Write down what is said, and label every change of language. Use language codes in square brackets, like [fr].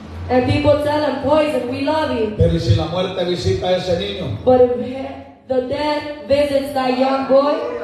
[en] And people tell him, poison, we love you. [es] Pero si la muerte visita a ese niño. [en] But if the death visits that young boy.